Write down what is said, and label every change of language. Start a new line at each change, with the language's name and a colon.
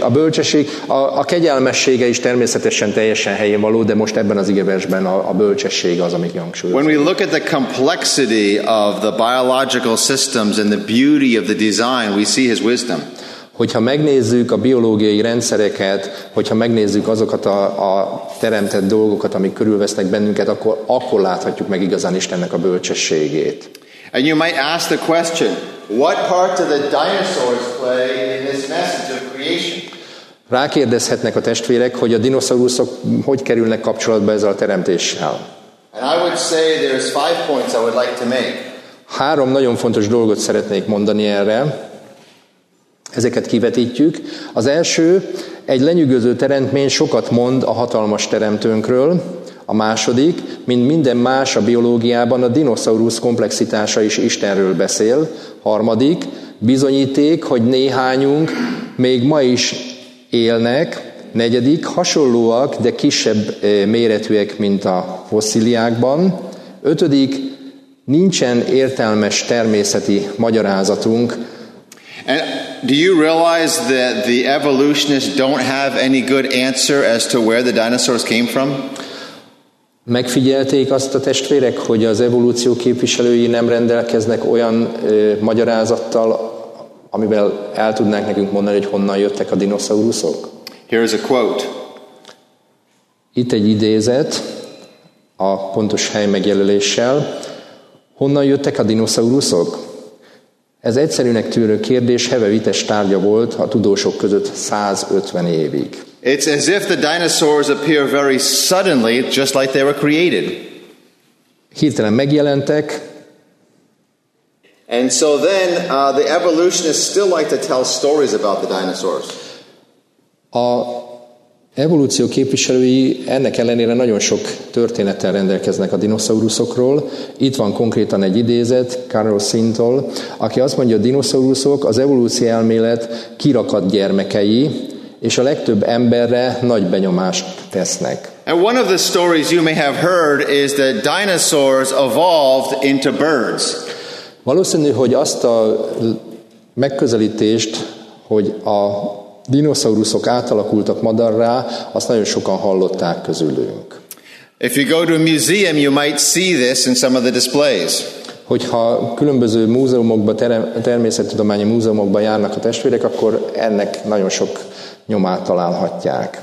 Hungarian: A bölcsesség, a kegyelmessége is természetesen teljesen helyén való, de most ebben az igeversben a bölcsesség az, amit hangsúlyozunk.
English: When we look at the complexity of the biological systems and the beauty of the design, we see his wisdom.
Hungarian: Hogyha megnézzük a biológiai rendszereket, hogyha megnézzük azokat a teremtett dolgokat, amik körülvesznek bennünket, akkor láthatjuk meg igazán Istennek a bölcsességét.
English: And you might ask the question, what part do the dinosaurs play in this message of creation?
Hungarian: Rákérdezhetnek a testvérek, hogy a dinoszauruszok hogy kerülnek kapcsolatba ezzel a teremtéssel.
English: And I would say there's five points I would like to make.
Hungarian: Három nagyon fontos dolgot szeretnék mondani erre. Ezeket kivetítjük. Az első, egy lenyűgöző teremtmény sokat mond a hatalmas teremtőnkről. A második, mint minden más a biológiában, a dinoszaurusz komplexitása is Istenről beszél. Harmadik, bizonyíték, hogy néhányunk még ma is élnek. Negyedik, hasonlóak, de kisebb méretűek, mint a fosszíliákban. Ötödik, nincsen értelmes természeti magyarázatunk.
English: do you realize that the evolutionists don't have any good answer as to where the dinosaurs came from?
Hungarian: Megfigyelték azt a testvérek, hogy az evolúció képviselői nem rendelkeznek olyan magyarázattal, amivel el tudnánk nekünk mondani, hogy honnan jöttek a dinoszauruszok?
English: Here is a quote.
Hungarian: Itt egy idézet a pontos hely megjelöléssel. Honnan jöttek a dinoszauruszok? Ez egyszerűnek tűnő kérdés hevevites tárgya volt a tudósok között 150 évig.
English: It's as if the dinosaurs appear very suddenly, just like they were created.
Hungarian: Hirtelen megjelentek.
English: And so then the evolutionists still like to tell stories about the dinosaurs.
Hungarian: A evolúció képviselői ennek ellenére nagyon sok történettel rendelkeznek a dinoszauruszokról. Itt van konkrétan egy idézet Carl Sintól, aki azt mondja, a dinoszauruszok az evolúció elmélet kirakat gyermekei, és a legtöbb emberre nagy benyomást tesznek.
English: And one of the stories you may have heard is that dinosaurs evolved into birds.
Hungarian: Valószínű, hogy azt a megközelítést, hogy a dinoszauruszok átalakultak madarrá, azt nagyon sokan hallották közülünk.
English: If you go to a museum, you might see this in some of the displays.
Hungarian: Hogyha különböző múzeumokba, természettudományi múzeumokba járnak a testvérek, akkor ennek nagyon sok nyomát találhatják.